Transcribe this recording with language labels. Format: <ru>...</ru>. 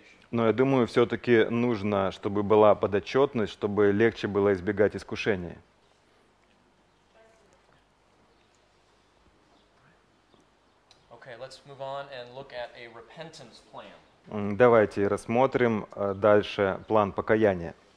<ru>Но я думаю, все-таки нужно, чтобы была подотчетность, чтобы легче было избегать искушения.</ru> <en>Okay, let's move on and look at a repentance plan.</en> <ru>Давайте рассмотрим дальше план покаяния.</ru>